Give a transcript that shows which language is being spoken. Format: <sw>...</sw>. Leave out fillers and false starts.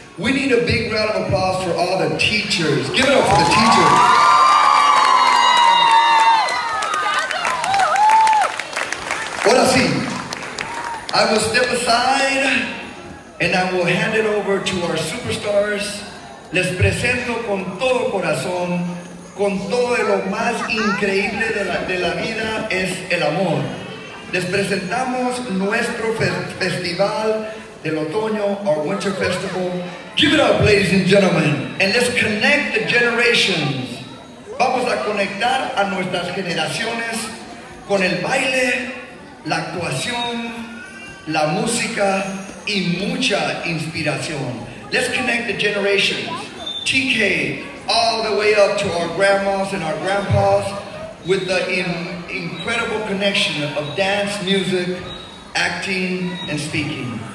<en>We need a big round of applause for all the teachers. Give it up for the teachers.</en> <es>Ahora sí.</es> <en>I will step aside and I will hand it over to our superstars.</en> <es>Les presento con todo corazón, con todo lo más increíble de la vida es el amor. Les presentamos nuestro festival del otoño,</es> <en>our winter festival. Give it up, ladies and gentlemen, and let's connect the generations.</en> <es>Vamos a conectar a nuestras generaciones con el baile, la actuación, la música y mucha inspiración.</es> <en>Let's connect the generations. TK, all the way up to our grandmas and our grandpas with the incredible connection of dance, music, acting, and speaking.</en>